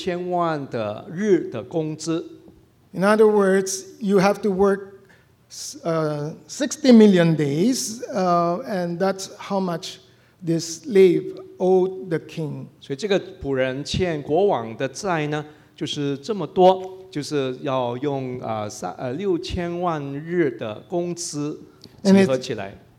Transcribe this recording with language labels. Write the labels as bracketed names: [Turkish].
[Chinese] 所以这个价钱把它算起来呢，应该说是6000万的日的工资。 [English] In other words, you have to work 60 million days, and that's how much this slave owed the king. [Chinese] 所以这个仆人欠国王的债呢，就是这么多。就是要用6000万日的工资集合起来。